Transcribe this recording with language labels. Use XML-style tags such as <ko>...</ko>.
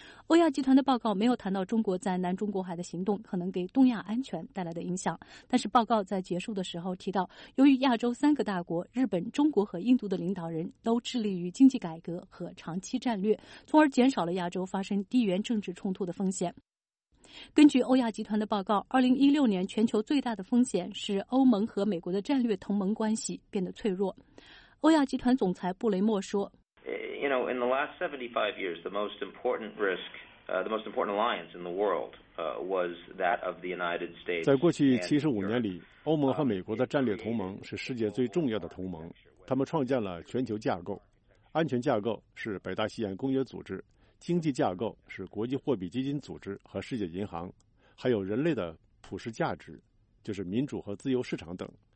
<zh>欧亚集团的报告没有谈到中国在南中国海的行动可能给东亚安全带来的影响，但是报告在结束的时候提到，由于亚洲三个大国日本、中国和印度的领导人都致力于经济改革和长期战略，从而减少了亚洲发生地缘政治冲突的风险。根据欧亚集团的报告，2016年全球最大的风险是欧盟和美国的战略同盟关系变得脆弱。欧亚集团总裁布雷默说，</zh> <en>You know, in the last 75 years, the most important risk, the most important alliance in the world, was that of the United States.</en> <zh>在过去75年里，欧盟和美国的战略同盟是世界最重要的同盟，他们创建了全球架构，安全架构是北大西洋公约组织，经济架构是国际货币基金组织和世界银行，还有人类的普世价值，就是民主和自由市场等。</zh>